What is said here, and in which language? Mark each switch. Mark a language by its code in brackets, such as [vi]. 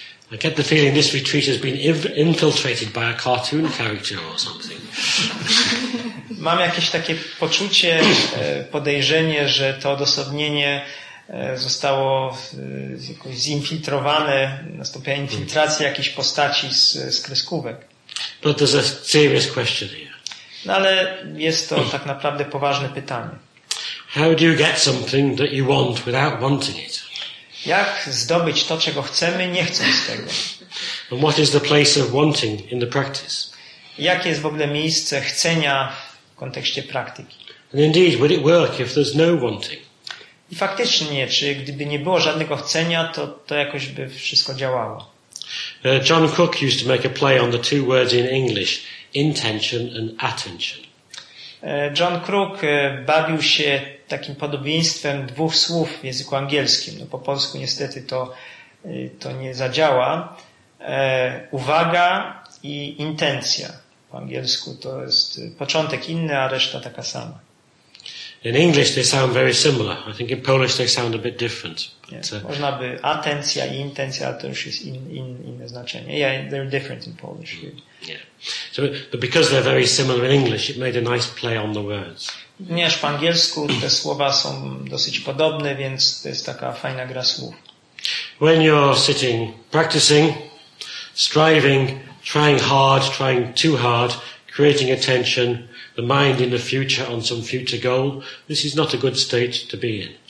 [en] I get the feeling this retreat has been infiltrated by a cartoon character or something. [pl] Mam jakieś takie poczucie, podejrzenie, że to odosobnienie zostało jakoś zinfiltrowane, nastąpiła infiltracja jakiejś postaci z kreskówek. [en] But there's a serious question here. [pl] No ale jest to tak naprawdę poważne pytanie. [en] How do you get something that you want without wanting it? [pl] Jak zdobyć to, czego chcemy, nie chcąc tego? [en] And what is the place of wanting in the practice? [pl] Jakie jest w ogóle miejsce chcenia w kontekście praktyki? [en] And indeed, would it work if there's no wanting? [pl] I faktycznie, czy gdyby nie było żadnego chcenia, to jakoś by wszystko działało. [en] John Cook used to make a play on the two words in English, intention and attention. [pl] John Crook bawił się takim podobieństwem dwóch słów w języku angielskim. No po polsku niestety to nie zadziała. Uwaga i intencja. Po angielsku to jest początek inny, a reszta taka sama. [en] In English they sound very similar. I think in Polish they sound a bit different. [pl] Można by atencja i intencja, ale to już jest inne znaczenie. [en] Yeah, they're different in Polish. So, but because they're very similar in English, it made a nice play on the words. [pl] Nie, po angielsku te słowa są dosyć podobne, więc to jest taka fajna gra słów. [en] When you're sitting, practicing, striving, trying hard, trying too hard, creating attention, the mind in the future on some future goal, this is not a good state to be in.